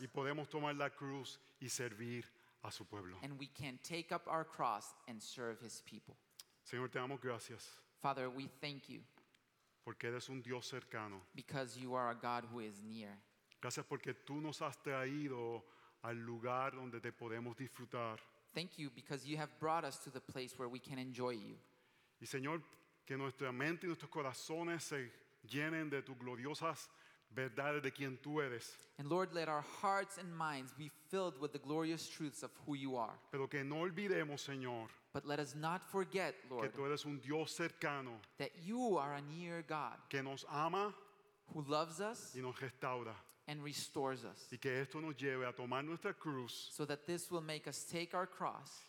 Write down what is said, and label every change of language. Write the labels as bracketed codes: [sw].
[es] Y podemos tomar la cruz y servir a su pueblo. [en] And we can take up our cross and serve his people. [es] Señor, te damos gracias. [en] Father, we thank you. [es] Porque eres un Dios cercano. [en] Because you are a God who is near. [es] Gracias porque tú nos has traído al lugar donde te podemos disfrutar. [en] Thank you because you have brought us to the place where we can enjoy you. [es] Y Señor, que nuestra mente y nuestros corazones se llenen de tus gloriosas verdades de quien tú eres. [en] And Lord, let our hearts and minds be filled with the glorious truths of who you are. [es] Pero que no olvidemos, Señor, [en] but let us not forget, Lord, [es] que tú eres un Dios cercano, [en] that you are a near God, [es] que nos ama, [en] who loves us, [es] y nos restaura, [en] and restores us. [es] Y que esto nos lleve a tomar nuestra cruz, [en] so that this will make us take our cross,